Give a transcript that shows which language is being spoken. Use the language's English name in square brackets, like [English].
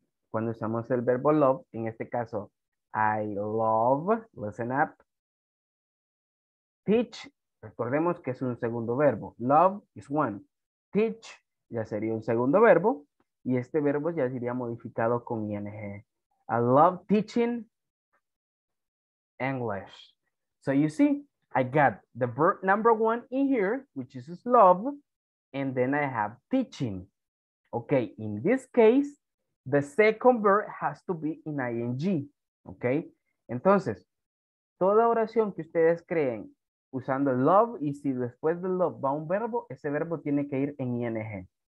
[Spanish] Cuando usamos el verbo love, en este caso, I love, [English] listen up, [Spanish] teach, recordemos que es un segundo verbo. [English] Love is one. Teach [Spanish] ya sería un segundo verbo. Y este verbo ya sería modificado con ing. [English] I love teaching English. So you see, I got the verb number one in here, which is love. And then I have teaching. Okay, in this case, the second verb has to be in ing. [Spanish] Okay, entonces, toda oración que ustedes creen usando love, y si después de love va un verbo, ese verbo tiene que ir en ing.